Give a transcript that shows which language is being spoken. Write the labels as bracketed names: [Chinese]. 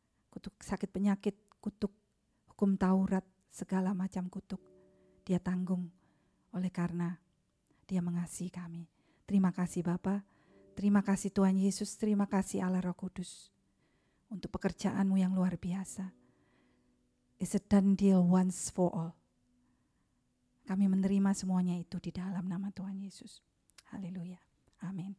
[Indonesian] Kutuk sakit penyakit, kutuk hukum Taurat, segala macam kutuk. Dia tanggung oleh karena Dia mengasihi kami. Terima kasih Bapa, terima kasih Tuhan Yesus, terima kasih Allah Roh Kudus untuk pekerjaan-Mu yang luar biasa. [English] It's a done deal once for all. [Indonesian] Kami menerima semuanya itu di dalam nama Tuhan Yesus. Haleluya. Amin.